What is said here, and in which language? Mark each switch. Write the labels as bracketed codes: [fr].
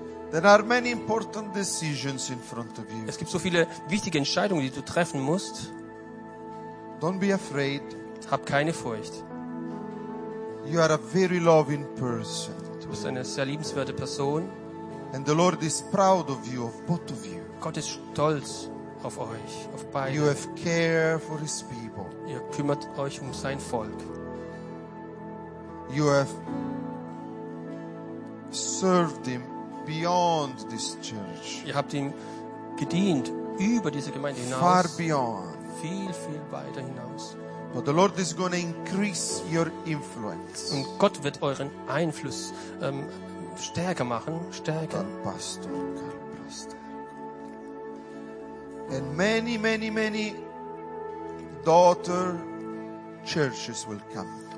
[en] There are many important decisions in front of you. [de] Es gibt so viele wichtige Entscheidungen, die du treffen musst. [en] Don't be afraid. [de] Hab keine Furcht. [en] You are a very loving person. [de] Du bist eine sehr liebenswerte Person. [en] And the Lord is proud of you, of both of you. [de] Gott ist stolz auf euch, auf beide. [en] You have care for his people. [de] Ihr kümmert euch um sein Volk. [en] You have served him beyond this church. [de] Ihr habt ihm gedient über diese Gemeinde hinaus. [en] Far beyond. [de] Viel, viel weiter hinaus. [en] But the Lord is going to increase your influence. [de] Und Gott wird euren Einfluss stärker machen, stärker. Und Pastor Karl Prester. [en] And many, many, many daughter churches will come.